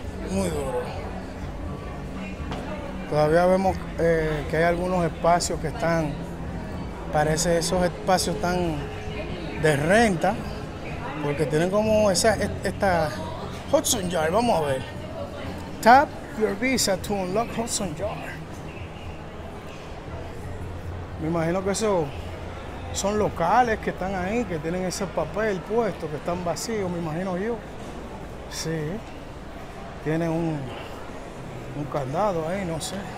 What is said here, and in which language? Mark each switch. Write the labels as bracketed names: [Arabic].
[Spanish] Muy duro. Todavía vemos que hay algunos espacios que están, parece esos espacios están de renta, porque tienen como esta Hudson Yard. Vamos a ver. [English] Tap your visa to unlock Hudson Yard. [Spanish] Me imagino que eso son locales que están ahí, que tienen ese papel puesto, que están vacíos, me imagino yo. Sí. Tiene un candado ahí, no sé.